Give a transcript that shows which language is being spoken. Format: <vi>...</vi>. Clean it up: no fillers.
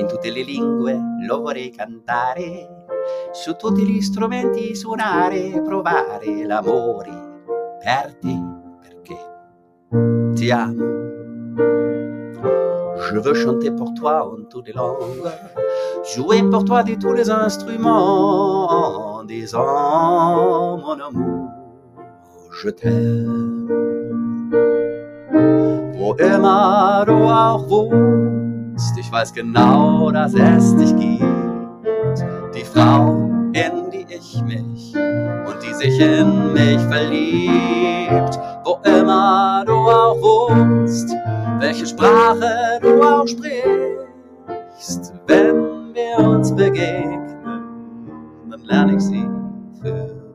<it>In tutte le lingue lo vorrei cantare, su tutti gli strumenti suonare, provare l'amore per te, perché ti amo.</it> <fr>Je veux chanter pour toi en toutes les langues, jouer pour toi de tous les instruments, en disant mon amour, je t'aime.</fr> <de>Wo immer du auch wohnst, ich weiß genau, dass es dich gibt, die Frau, in die ich mich und die sich in mich verliebt. Wo immer du auch wohnst, welche Sprache du auch sprichst, wenn wir uns begegnen, dann lerne ich sie für dich.</de>